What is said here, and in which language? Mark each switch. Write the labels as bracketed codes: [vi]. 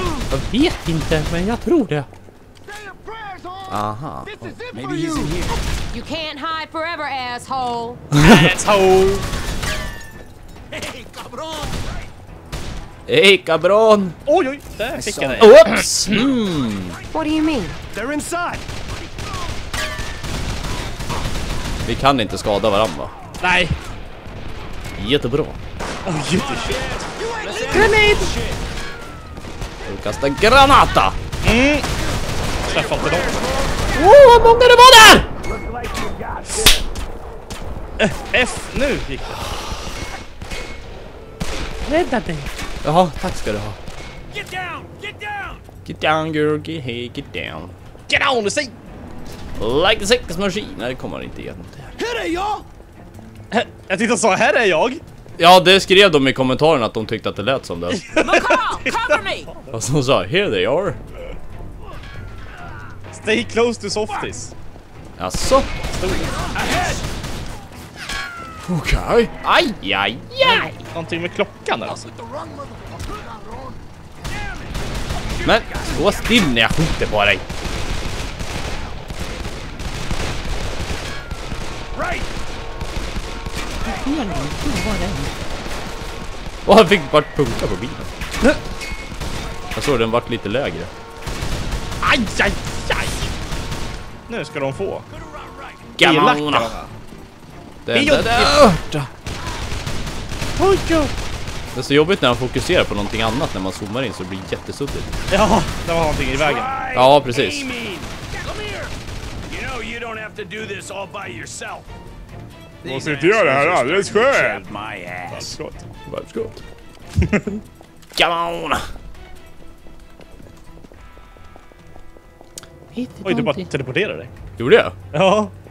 [sv] Jag vet inte, men jag tror det. Aha. [en] Maybe he's in here. You can't hide forever, asshole. Asshole. Hey, cabron. Hey, cabron. [sv] Oj, oj. Där fick jag det. Oops. [en] What do you mean? They're inside. [sv] Vi kan inte skada varandra. Nej. Jättebra. Oh, jätteshit. [en] Grenade. [sv] Och kasta granata. Mm. Träffar inte dem. Oh, vad många det var där! F, nu gick det. Rädda dig. Jaha, tack ska du ha. [en] Get down, get down! Get down, girl, get hey, get down. Get down, [sv] du säger! [en] Like a sex machine. [sv] Nej, det kommer inte igen. Hur är jag? Jag tyckte så här är jag. Ja, det skrev de i kommentaren att de tyckte att det lät som det. [en] McCall, cover me! [sv] Fast de sa, [en] here they are. Stay close to softies. [sv] Jaså? Ahead! Okej. Aj, aj, aj! Någonting med klockan där alltså. Men, stå still när jag skjuter på dig. [en] Right! [sv] Och han fick bara punka på bilen. Jag såg den vart lite lägre. Aj, aj, aj. Nu ska de få. Gamla. Det är så jobbigt när man fokuserar på någonting annat. När man zoomar in så blir det jättesuddigt. Ja, det var någonting i vägen. Ja, precis. [en] You know you don't have to do this all by yourself. [sv] Jag måste inte göra det här alldeles själv! [en] Varmskott. Come on! [sv] Oj, du bara teleporterade dig. Gjorde jag? Ja.